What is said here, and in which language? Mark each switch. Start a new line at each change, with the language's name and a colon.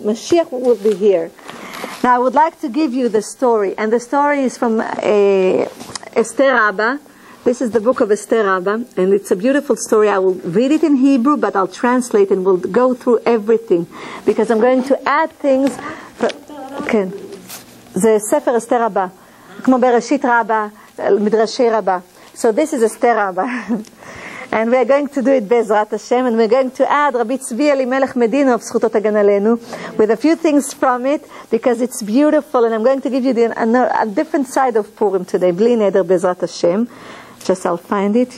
English: Mashiach would be here. Now, I would like to give you the story. And the story is from Esther Rabbah. This is the book of Esther Rabbah, and it's a beautiful story. I will read it in Hebrew, but I'll translate and we'll go through everything. Because I'm going to add things.
Hebrew: כן. זה ספר אסתר רבה. כמו בראשית רבה, מדרשי רבה.
English: So this is Esther Rabbah. And we're going to do it בעזרת השם. And we're going to add רבי צבי אלימלך מדינוב,
Hebrew: זכותו תגן עלינו,
English: with a few things from it, because it's beautiful. And I'm going to give you a different side of Purim today.
Hebrew: בלי נדר בעזרת השם.
English: Just I'll find it.